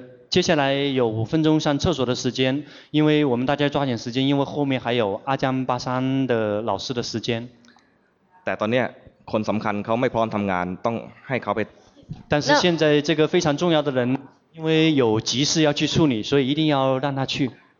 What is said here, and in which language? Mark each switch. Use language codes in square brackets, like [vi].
[zh] 接下来有5分钟上厕所的时间，因为我们大家抓紧时间，因为后面还有阿江巴山的老师的时间。 [th] แต่ตอนนี้คนสำคัญเขาไม่พร้อมทำงานต้องให้เขาไป。 [zh] 但是现在这个非常重要的人，因为有急事要去处理，所以一定要让他去。